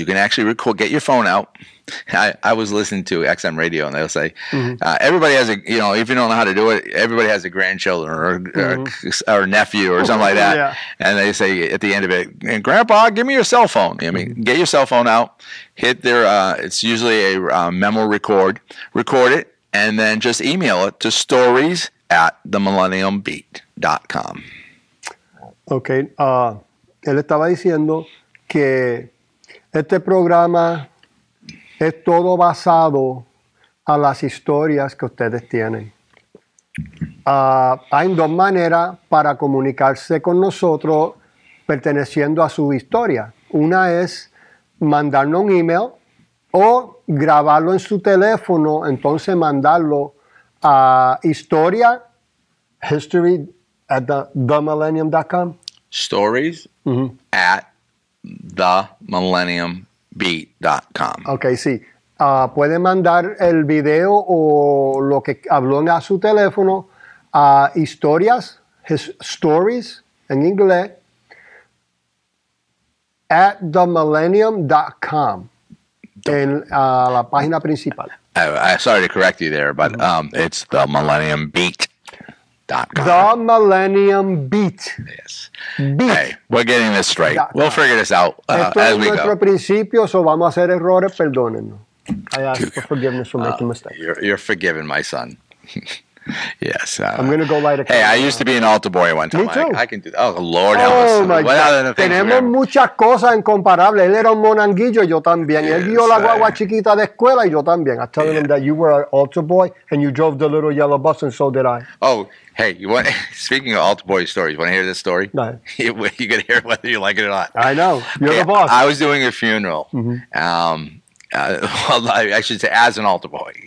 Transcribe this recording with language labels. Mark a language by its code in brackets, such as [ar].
[en] You can actually record, get your phone out. I was listening to XM Radio, and they'll say, everybody has a, if you don't know how to do it, everybody has a grandchildren or nephew or something like that. Yeah. And they say at the end of it, Grandpa, give me your cell phone. I mean, get your cell phone out, hit their, it's usually a memo record, record it, and then just email it to stories@themillenniumbeat.com. Okay. [es] Él estaba diciendo que este programa es todo basado a las historias que ustedes tienen. Hay dos maneras para comunicarse con nosotros perteneciendo a su historia. Una es mandarnos un email o grabarlo en su teléfono, entonces mandarlo a historia, history at themillennium.com. [en] Stories at themillenniumbeat.com. [es] Ok, sí. Puede mandar el video o lo que habló a su teléfono a historias, stories en inglés, at themillennium.com. En la página principal. [en] I'm sorry to correct you there, but it's themillenniumbeat.com. The Millennium Beat. Yes. Beat. Hey, we're getting this straight. We'll figure this out as we go. [es] Esto es nuestro principio, so vamos a hacer errores, perdónenos. [en] I ask for forgiveness for making mistakes. You're forgiven, my son. Yes. I'm going to go light a candle. Hey, I used to be an altar boy one time. Me too. I can do that. Oh, Lord help us. Oh, my God. [es] Tenemos muchas cosas incomparables. Él era un monanguillo, yo también. Él guió la guagua chiquita de escuela y yo también. [en] I'm telling him that you were an altar boy and you drove the little yellow bus and so did I. Oh, hey, speaking of altar boy stories, want to hear this story? No. You can hear it whether you like it or not. I know. You're the boss. I was doing a funeral. Mm-hmm. I should say as an altar boy.